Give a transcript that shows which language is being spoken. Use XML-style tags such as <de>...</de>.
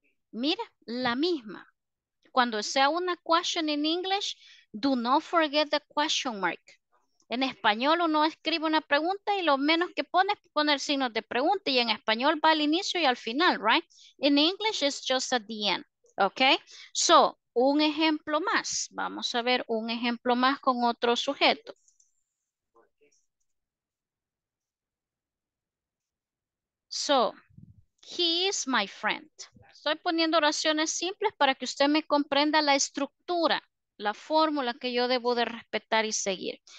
<es>Mira, la misma.</es> <en>Cuando sea una question in English, do not forget the question mark.</en> <es>En español uno escribe una pregunta y lo menos que pone es poner signos de pregunta. Y en español va al inicio y al final, right?</es> <en>In English, it's just at the end, okay?</en> <es>So, un ejemplo más. Vamos a ver un ejemplo más con otro sujeto.</es> <en>So, he is my friend.</en> <es>Estoy poniendo oraciones simples para que usted me comprenda la estructura, la fórmula que yo debo de respetar y seguir.</es>